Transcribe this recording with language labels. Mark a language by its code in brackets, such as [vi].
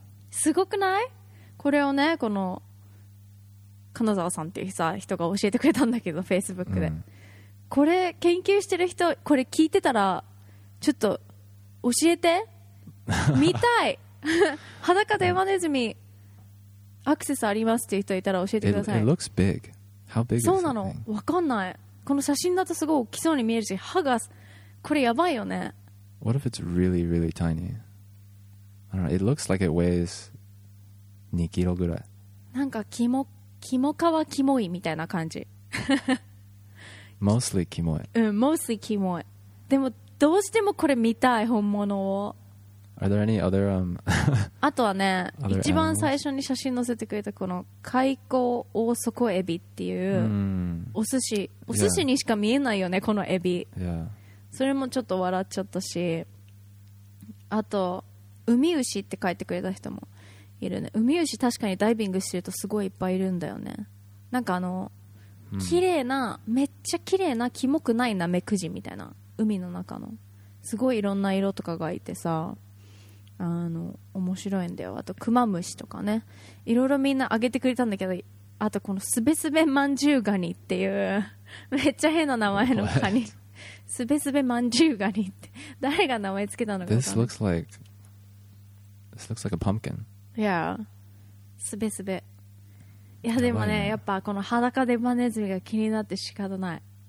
[ja] すごくないこれをねこの金沢さんっていうさ人が教えてくれたんだけど Facebook で、うん、これ研究してる人これ聞いてたらちょっと教えて見たい裸デバネズミアクセスありますっていう人いたら教えてください [en] it looks big how big is [ja] そうなのわかんないこの写真だとすごい大きそうに見えるし歯がこれやばいよね [en] What if it's really really tiny? I don't know it looks like it weighs [ja] 2キロぐらい。なんかキモ、キモかはキモいみたいな感じ。 [en] Mostly [ja] キモい。うん、 [en] mostly [ja] キモい。でもどうしてもこれ見たい本物を。 [en] Are there any other, [ja] あとはね、一番最初に写真載せてくれたこの海溝大底エビっていうお寿司、お寿司にしか見えないよね、 [en] yeah. [ja] このエビ、 [en] yeah. [ja] それもちょっと笑っちゃったし、あと海牛って書いてくれた人もいるね。海牛確かにダイビングしてるとすごいいっぱいいるんだよね。なんかあの綺麗な、めっちゃ綺麗なキモくないナメクジみたいな、海の中のすごいいろんな色とかがいてさ、あの面白いんだよ。あとクマムシとかね、いろいろみんなあげてくれたんだけど、あとこのスベスベマンジュウガニっていうめっちゃ変な名前のカニ、スベスベマンジュウガニって誰が名前つけたのか。 [en] This looks like, this looks like a pumpkin. Yeah, [ja] スベスベ。いやでもね、やっぱこの裸デバネズミが気になって仕方ない。